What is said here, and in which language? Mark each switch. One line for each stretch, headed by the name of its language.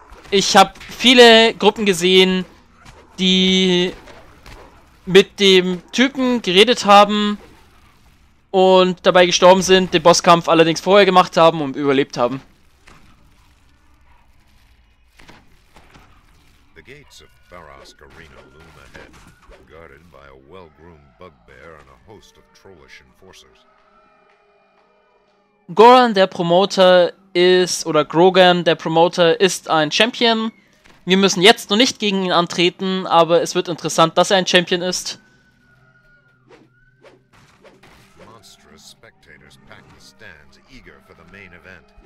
German: Ich habe viele Gruppen gesehen, die mit dem Typen geredet haben und dabei gestorben sind, den Bosskampf allerdings vorher gemacht haben und überlebt haben.
English: The gates of Pharos' Arena loom ahead, guarded by a well-groomed bugbear and a host of trollish enforcers.
German: Goran, der Promoter, ist, oder Grogan, der Promoter, ist ein Champion. Wir müssen jetzt noch nicht gegen ihn antreten, aber es wird interessant, dass er ein Champion ist.
English: Monstrous spectators pack the stands, eager for the main event.